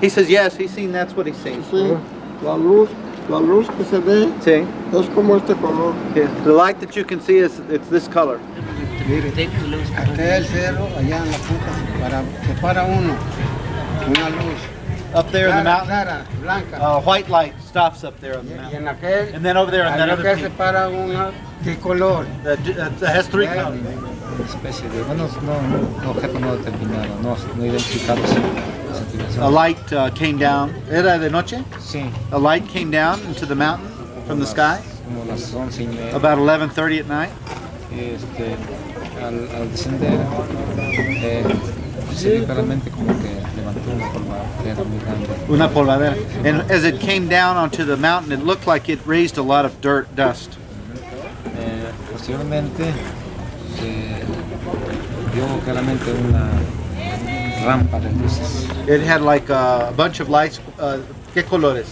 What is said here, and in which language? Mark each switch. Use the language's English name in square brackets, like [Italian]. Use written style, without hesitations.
[English] He says yes, he's seen, that's what he's seen. [Spanish] Sí, la luz que se ve, sí, es como este color. [English] Yeah. The light that you can see is, it's this color. [Spanish] Mire, acá el cerro, allá en la punta, se para uno, una luz. [English] Up there in the mountain, [Spanish] clara, blanca. [English] A white light stops up there on the mountain. [Spanish] Y en aquel, [English] and then over there on that other peak. [Spanish] Se para una, ¿qué color? [English] That has three colors. [Spanish] Una especie de, bueno, no, un objeto no determinado, no identificado. [English] A light came down. [Spanish] ¿Era de noche? Sí. [English] A light came down into the mountain from the sky. [Spanish] Como las 11 y media. [English] About 11:30 at night. [Spanish] Al descender, se literalmente como que levantó una polvadera muy grande. Una polvadera. [English] And as it came down onto the mountain, it looked like it raised a lot of dirt, dust. [Spanish] Posteriormente, se vio claramente una rampa de luces. [English] It had like a bunch of lights. [Spanish] ¿Qué colores?